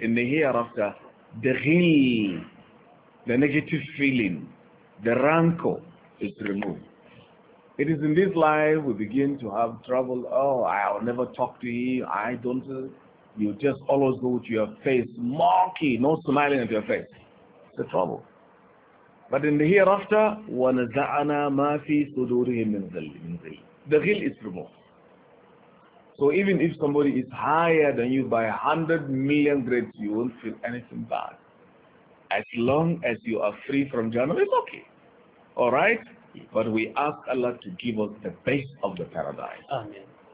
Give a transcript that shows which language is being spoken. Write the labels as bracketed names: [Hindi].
[English] In the hereafter, the ghil, the negative feeling, the rancor is removed. It is in this life we begin to have trouble. Oh, I'll never talk to you. I don't. You just always go to your face, mocky, no smiling at your face. It's a trouble. But in the hereafter, [Arabic] وَنَزَعَنَا مَا فِي صُدُورِهِمْ مِنْ غِلٍّ. [English] The ghil is removed. So even if somebody is higher than you by 100 million grades, you won't feel anything bad. As long as you are free from jahannam, it's okay. All right? But we ask Allah to give us the base of the paradise. Amen.